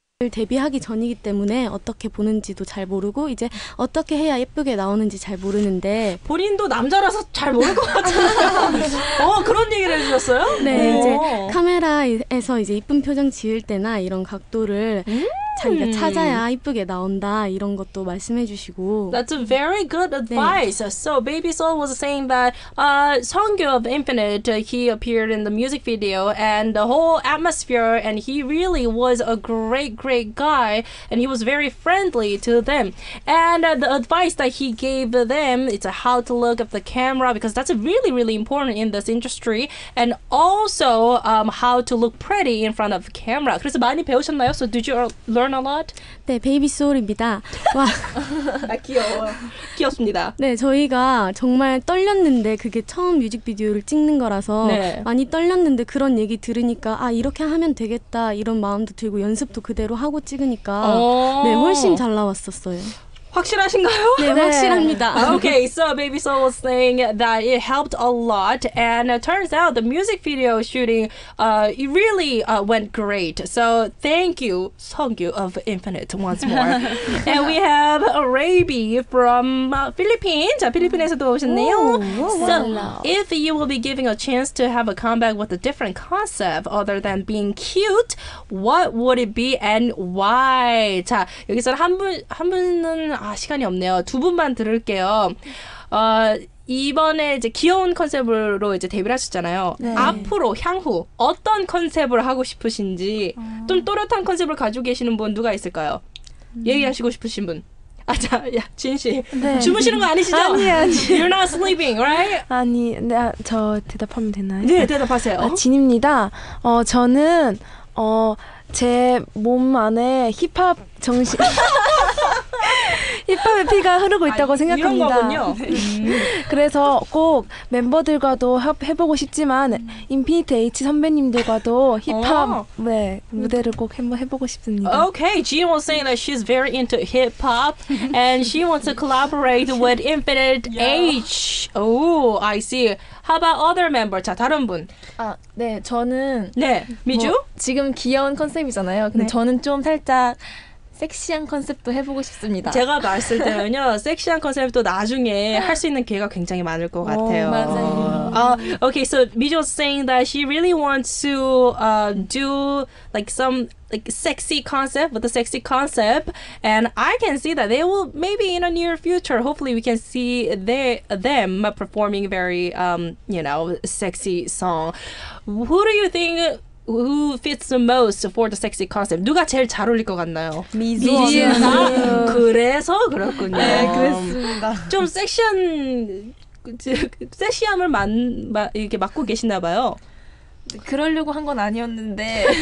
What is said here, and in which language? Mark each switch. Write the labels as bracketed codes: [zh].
[ko] 데뷔하기 전이기 때문에 어떻게 보는지도 잘 모르고 이제 어떻게 해야 예쁘게 나오는지 잘 모르는데 본인도 남자라서 잘 모를 것 같잖아요. 그런 얘기를 해주셨어요? 네, 이제 카메라에서 이제 예쁜 표정 지을 때나 이런 각도를 자기가 찾아야 이쁘게 나온다 이런 것도 말씀해 주시고. [en] That's a very good advice. 네. So Baby Soul was saying that Songyo of Infinite, he appeared in the music video and the whole atmosphere, and he really was a great, great guy, and he was very friendly to them. And the advice that he gave them, it's how to look at the camera, because that's really, really important in this industry, and also how to look pretty in front of camera. [ko] 그래서 많이 배우셨나요? [en] So did you learn a lot? [ko] 네, 베이비 소울입니다. 와, 아, 귀여워. 귀엽습니다. 네, 저희가 정말 떨렸는데 그게 처음 뮤직비디오를 찍는 거라서 네. 많이 떨렸는데 그런 얘기 들으니까 아, 이렇게 하면 되겠다 이런 마음도 들고 연습도 그대로 하고 찍으니까 네, 훨씬 잘 나왔었어요. 확실하신가요? 네, 네, 확실합니다. [en] Okay, so Baby Soul was saying that it helped a lot, and it turns out the music video shooting it really went great. So thank you, Songyo of Infinite, once more. And we have Raby from Philippines. [ko] 필리핀에서도 오셨네요. [en] So if you will be giving a chance to have a comeback with a different concept other than being cute, what would it be and why? [ko] 자, 여기서 한 분은 아, 시간이 없네요. 두 분만 들을게요. 이번에 이제 귀여운 컨셉으로 이제 데뷔를 하셨잖아요. 네. 앞으로 향후 어떤 컨셉을 하고 싶으신지 좀 또렷한 컨셉을 가지고 계시는 분 누가 있을까요? 얘기하시고 싶으신 분. 아, 자, 야, 진 씨. 네. 주무시는 거 아니시죠? 아니에요. 아니. [en] You're not sleeping, right? [ko] 아니, 네, 저 대답하면 되나요? 네, 대답하세요. 아, 진입니다. 저는 제 몸 안에 힙합 정신 힙합의 피가 흐르고 있다고 아, 생각합니다. 이런 거군요. 그래서 꼭 멤버들과도 해보고 싶지만 인피니트 H 선배님들과도 힙합 네, 무대를 꼭 한번 해보고 싶습니다. [en] Okay, Jin was saying that she's very into hip hop and she wants to collaborate with Infinite yeah. H. Oh, I see. How about other member? [ko] 자, 다른 분. 아, 네, 저는 네, 미주. 뭐, 지금 귀여운 컨셉이잖아요. 근데 네. 저는 좀 살짝 섹시한 컨셉도 해보고 싶습니다. 제가 봤을 때는요, 섹시한 컨셉도 나중에 할 수 있는 기회가 굉장히 많을 것 같아요. 오, 맞아요. [en] Okay, so Mijo was saying that she really wants to do like some like sexy concept with the sexy concept, and I can see that they will maybe in a near future. Hopefully, we can see them performing very you know sexy song. Who do you think? Who fits the most for the sexy concept? [ko] 누가 제일 잘 어울릴 것 같나요? 미주 언니. 그래서 그렇군요. 네, 그렇습니다. 좀 섹시함을 이렇게 맡고 계시나 봐요. 그러려고 한 건 아니었는데.